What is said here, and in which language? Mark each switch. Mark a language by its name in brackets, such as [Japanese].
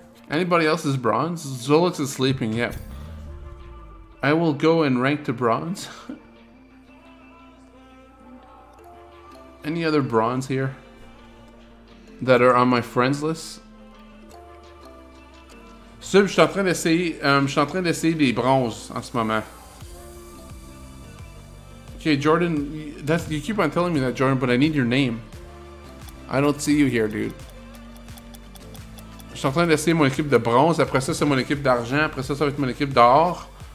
[English] Anybody else is bronze? Zolix is sleeping, yeah. I will go and rank to bronze. Any other bronze here that are on my friends list? [French] Sub, je suis en train d'essayer des bronzes en ce moment. [English] Okay, Jordan, you keep on telling me that, Jordan, but I need your name. I don't see you here, dude. [French] Je suis en train d'essayer mon équipe de bronze, après ça, c'est mon équipe d'argent, après ça, ça va être mon équipe d'or.